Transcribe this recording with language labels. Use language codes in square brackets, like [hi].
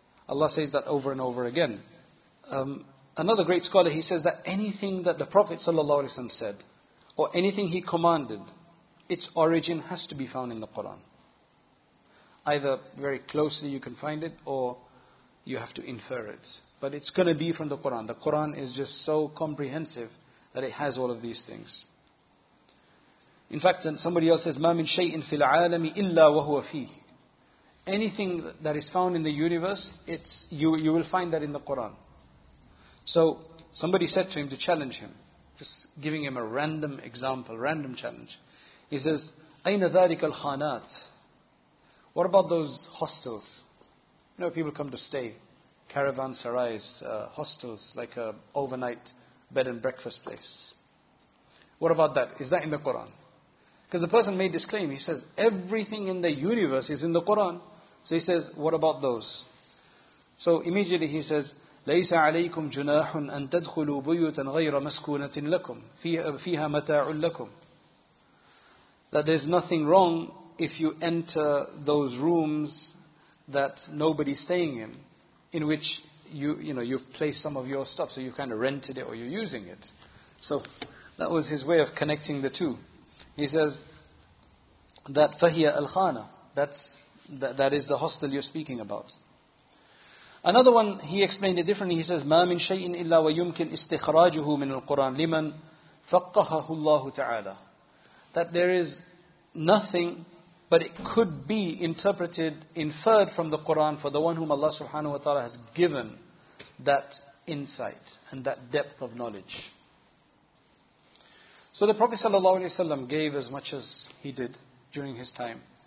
[en] Allah says that over and over again. Another great scholar, he says that anything that the Prophet ﷺ said, or anything he commanded, its origin has to be found in the Quran. Either very closely you can find it, or you have to infer it. But it's going to be from the Quran. The Quran is just so comprehensive that it has all of these things. In fact, somebody else says, [ar] مَا مِن شَيْءٍ فِي الْعَالَمِ إِلَّا وَهُوَ فِيهِ. [en] Anything that is found in the universe, you will find that in the Quran. So, somebody said to him to challenge him, just giving him a random example, random challenge. He says, [ar] أَيْنَ ذَٰلِكَ الْخَانَاتِ. [en] What about those hostels? You know, people come to stay. Caravanserais, hostels, like a overnight bed and breakfast place. What about that? Is that in the Quran? Because the person made this claim. He says, everything in the universe is in the Quran. So he says, what about those? So immediately he says, [ar] لَيْسَ عَلَيْكُمْ جُنَاحٌ أَن تَدْخُلُوا بُيُوتًا غَيْرَ مَسْكُونَةٍ لَكُمْ فِيهَا مَتَاعٌ لَكُمْ. [en] That there's nothing wrong if you enter those rooms that nobody's staying in which you've placed some of your stuff, so you've kind of rented it or you're using it. So that was his way of connecting the two. He says that [ar] فَهِيَ الْخَانَةً, [en] that is the hostel you're speaking about. Another one, he explained it differently. He says, [ar] مَا مِن شَيْءٍ إِلَّا وَيُمْكِنْ إِسْتِخْرَاجُهُ مِنُ الْقُرْآنِ لِمَنْ فَقَّهَهُ اللَّهُ تَعَالَى. [en] That there is nothing, but it could be interpreted, inferred from the Qur'an for the one whom Allah subhanahu wa ta'ala has given that insight and that depth of knowledge. So the Prophet sallallahu alayhi wa sallam gave as much as he did during his time.